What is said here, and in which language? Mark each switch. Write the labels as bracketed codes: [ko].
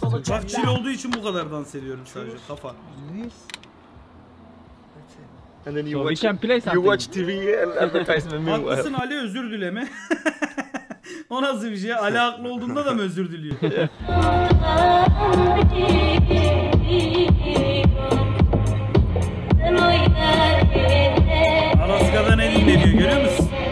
[tr] Bak chill olduğu için bu kadar dans ediyorum sadece kafa. [en] And then you watch, you watch TV advertisement meanwhile. [tr] Haklısın Ali, özür dileme. O nasıl bir şey? Ali haklı olduğunda da mı özür diliyor? Alaska'dan el dinleniyor, görüyor musun?